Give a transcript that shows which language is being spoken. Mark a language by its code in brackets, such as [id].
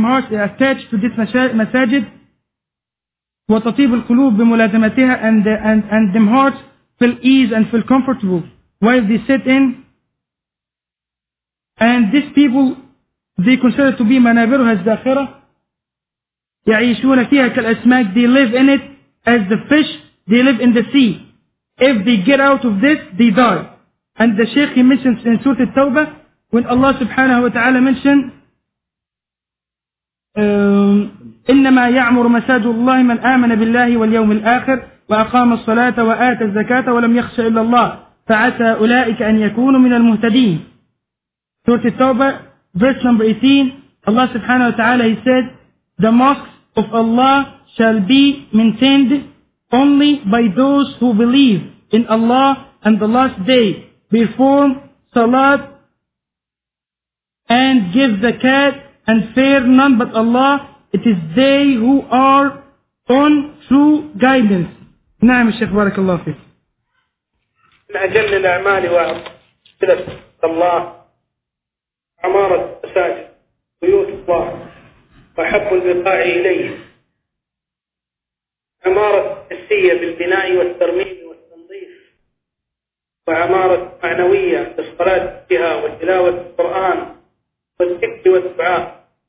[en] attached to this masajid, [ar] وتطيب القلوب بملازمتها, [en] and them hearts feel ease and feel comfortable while they sit in, and these people they consider to be [ar] منابرها الزاخرة, يعيشون فيها كالأسماك, [en] they live in it as the fish they live in the sea. If they get out of this, they die. And the Shaykh, he mentions in Surah Al-Tawbah, when Allah subhanahu wa ta'ala mentioned, [ar] إِنَّمَا يَعْمُرُ مَسَاجُ اللَّهِ مَنْ آمَنَ بِاللَّهِ وَالْيَوْمِ الْآخِرِ وَأَقَامَ الصَّلَاةَ وَآتَ الزَّكَاةَ وَلَمْ يَخْشَ إِلَّا اللَّهِ فَعَسَى أُولَٰئِكَ أَنْ يَكُونُوا مِنَ الْمُهْتَدِينَ. [en] Surah Al-Tawbah, verse number 18, Allah subhanahu wa ta'ala, he said, the mosques of Allah shall be maintained only by those who believe in Allah and the last day, perform salat and give zakat, and fear none but Allah. It is they who are on true guidance. [ar] نعم الشيخ بارك الله فيك. من أجل الأعمال وعبادة الله عمارة المساجد بيوت الله وحب البقاء إليه، عمارة حسية بالبناء والترميم والتنظيف، وعمارة معنوية بالصلاة فيها وتلاوة القرآن والذكر والدعاء.